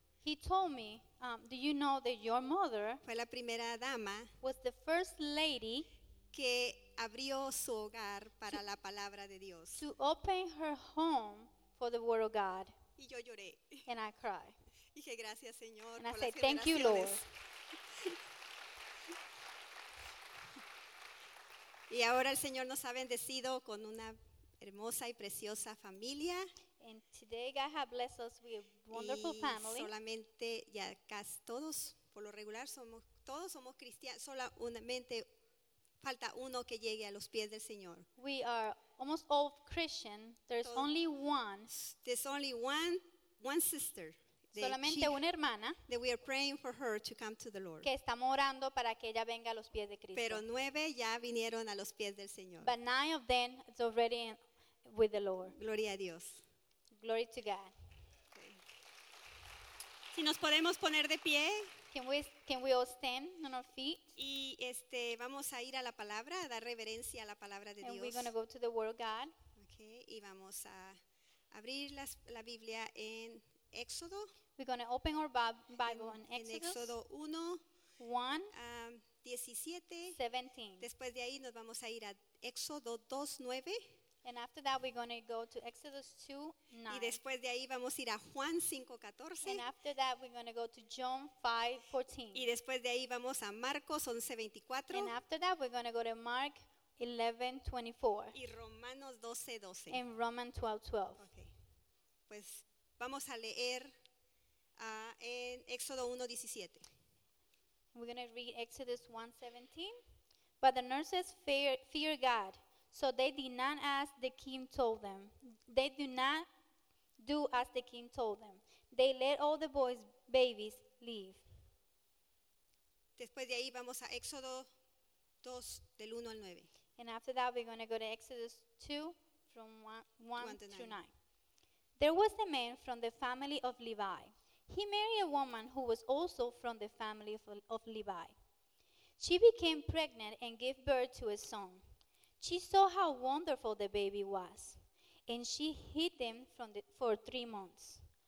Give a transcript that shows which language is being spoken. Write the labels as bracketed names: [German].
[English] He told me, do you know that your mother [Spanish] fue la primera dama [English] was the first lady [Spanish] que abrió su hogar para la palabra de Dios. [English] To open her home for the word of God. [Spanish] Y yo lloré. [English] And I cried. [Spanish] Y dije, gracias, Señor, [English] and [Spanish] por [English] I said, thank you, Lord. [Spanish] Y ahora el Señor nos ha bendecido con una hermosa y preciosa familia. [English] And today God has blessed us with a wonderful [Spanish] y [English] family. [Spanish] Solamente ya casi todos, por lo regular, todos somos cristianos. Solamente falta uno que llegue a los pies del Señor. [English] We are almost all Christian. There's only one sister. [Spanish] Solamente una hermana. [English] That we are praying for her to come to the Lord. [Spanish] Que estamos orando para que ella venga a los pies de Cristo. Pero 9 ya vinieron a los pies del Señor. [English] But 9 of them is already with the Lord. [Spanish] Gloria a Dios. [English] Glory to God. [Spanish] Si nos podemos poner de pie. [English] Can we all stand on our feet? [Spanish] Y vamos a ir a la palabra, a dar reverencia a la palabra de [English] and [Spanish] Dios. [English] And we're going to go to the word of God. [Spanish] Okay, y vamos a abrir la Biblia en Éxodo. [English] We're going to open our Bible [Spanish] en [English] Exodus. [Spanish] En Éxodo 1. 17. 17. Después de ahí nos vamos a ir a Éxodo 2, 9. [English] And after that, we're going to go to Exodus 2, 9. [Spanish] Y después de ahí vamos a ir a Juan 5, 14. [English] And after that, we're going to go to John 5, 14. [Spanish] Y después de ahí vamos a Marcos 11, 24. [English] And after that, we're going to go to Mark 11, 24. [Spanish] Y Romanos 12, 12. [English] And Romans 12, 12. [Spanish] Okay. Pues vamos a leer en Éxodo 1, 17. [English] We're going to read Exodus 1, 17. But the nurses fear God. So they did not as the king told them. They do not do as the king told them. They let all the boys' babies leave. [Spanish] Después de ahí vamos a Éxodo 2, del 1 al 9. [English] And after that we're going to go to Exodus 2, from 1 to 9. There was a man from the family of Levi. He married a woman who was also from the family of Levi. She became pregnant and gave birth to a son. She saw how wonderful the baby was, and she hid them for 3 months.